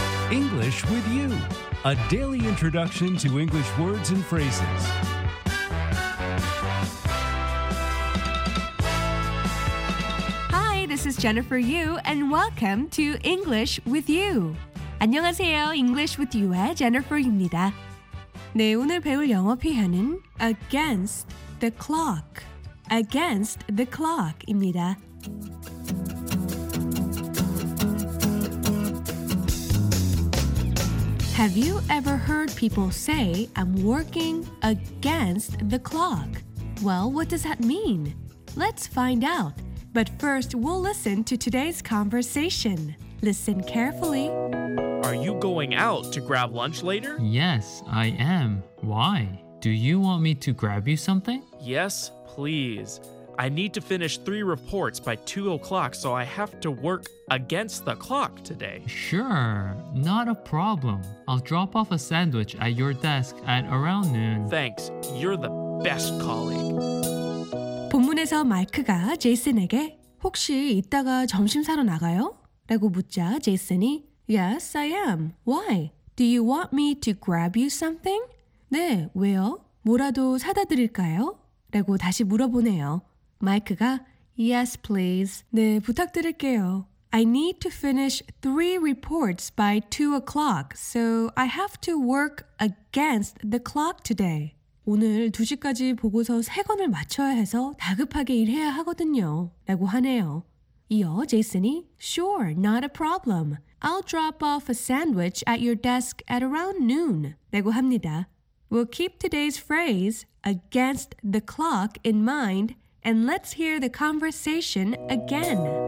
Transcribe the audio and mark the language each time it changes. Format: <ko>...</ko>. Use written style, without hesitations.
<en>English with you, a daily introduction to English words and phrases. Hi, this is Jennifer Yu, and welcome to English with you.</en> <ko>안녕하세요, English with you의 Jennifer입니다. 네, 오늘 배울 영어 표현은</ko> <en>against the clock, against the clock</en> <ko>입니다.</ko> <en>Have you ever heard people say, I'm working against the clock? Well, what does that mean? Let's find out. But first, we'll listen to today's conversation. Listen carefully. Are you going out to grab lunch later? Yes, I am. Why? Do you want me to grab you something? Yes, please. I need to finish 3 reports by 2 o'clock, so I have to work against the clock today. Sure, not a problem. I'll drop off a sandwich at your desk at around noon. Thanks, you're the best colleague.</en> <ko>본문에서 마이크가 제이슨에게 혹시 이따가 점심 사러 나가요? 라고 묻자 제이슨이</ko> <en>Yes, I am. Why? Do you want me to grab you something?</en> <ko>네, 왜요? 뭐라도 사다 드릴까요? 라고 다시 물어보네요. 마이크가</ko> <en>Yes, please.</en> <ko>네, 부탁드릴게요.</ko> <en>I need to finish 3 reports by 2 o'clock, so I have to work against the clock today.</en> <ko>오늘 2시까지 보고서 3권을 마쳐야 해서 다급하게 일해야 하거든요. 라고 하네요. 이어 제이슨이</ko> <en>Sure, not a problem. I'll drop off a sandwich at your desk at around noon.</en> <ko>라고 합니다.</ko> <en>We'll keep today's phrase against the clock in mind and let's hear the conversation again.</en>